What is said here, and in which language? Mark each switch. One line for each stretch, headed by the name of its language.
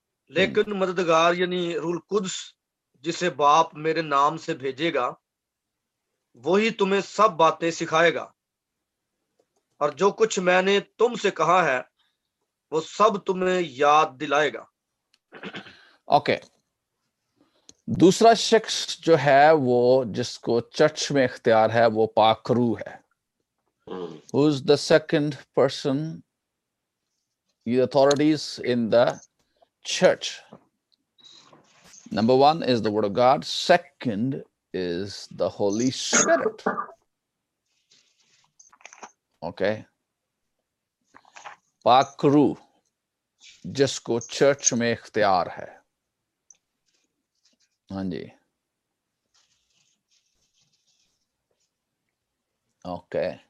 Urdu: لیکن مددگار یعنی روح قدس جسے باپ میرے نام سے بھیجے گا, وہی تمہیں سب باتیں سکھائے گا, اور جو کچھ میں نے تم سے کہا ہے وہ سب تمہیں یاد دلائے گا. اوکے, دوسرا شخص جو ہے وہ جس کو چرچ میں اختیار ہے وہ پاک روح ہے.
English: Who is the second person the authorities in the church? Number one is the word of God. Second is the Holy Spirit. Okay.
Urdu: پاک روح جس کو چرچ میں اختیار ہے. ہاں جی.
English: Okay.